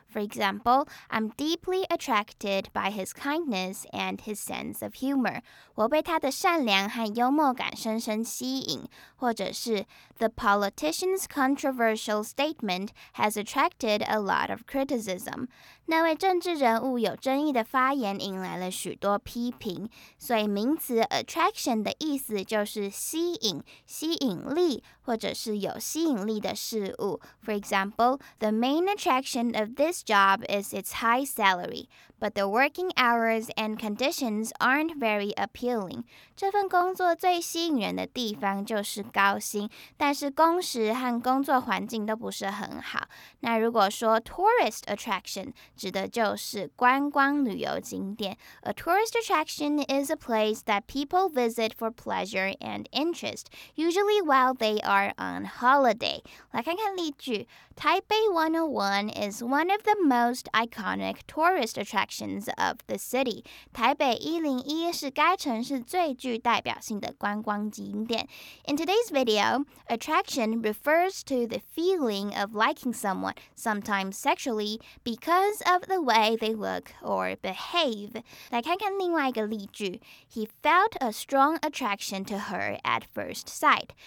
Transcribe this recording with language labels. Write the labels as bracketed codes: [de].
[en] For example, I'm deeply attracted by his kindness and his sense of humor. [zh] 我被他的善良和幽默感深深吸引。或者是 [en] The politician's controversial statement has attracted a lot of criticism. [zh] 那位政治人物有争议的发言引来了许多批评。所以名词 attraction 的意思就是吸引、吸引力，或者是有吸引力的事物。 [en] For example, the main attraction of this job is its high salary, but the working hours and conditions aren't very appealing. [zh] 这份工作最吸引人的地方就是高薪，但是工时和工作环境都不是很好。那如果说 tourist attraction 指的就是观光旅游景点。 [en] A tourist attraction is a place that people visit for pleasure and interest, usually while they are on holiday. [zh] 来看看例句， [en] Taipei 101 is one of the most iconic tourist attractions of the city. [zh] 台北101是该城市最具代表性的观光景点。 [en] In today's video, attraction refers to the feeling of liking someone, sometimes sexually, because of the way they look or behave. [zh] 来看看另外一个例句， [en] He felt a strong attraction to her at first sight.